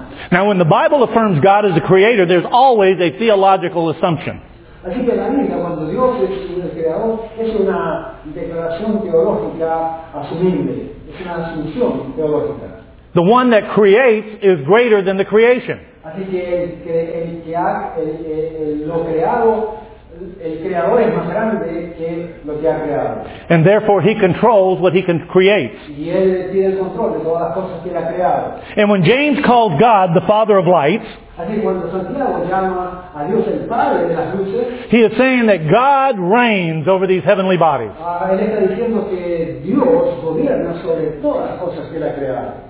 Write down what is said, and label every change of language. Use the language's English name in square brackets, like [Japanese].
[English] Now, when the Bible affirms God as the Creator, there's always a theological assumption. [Spanish] Así que la Biblia, cuando Dios es el Creador, es una declaración teológica asumible. Es una asunción teológica. [English] The one that creates is greater than the creation. [Spanish] Así que el creador es más grande que lo que ha creado. [English] And therefore he controls what he can create. [Spanish] Y él tiene el control de todas las cosas que él ha creado. [English] And when James calls God the Father of lights, [Spanish] así que cuando Santiago llama a Dios el Padre de las luces, [English] he is saying that God reigns over these heavenly bodies. [Spanish] Él está diciendo que Dios gobierna sobre todas las cosas que él ha creado.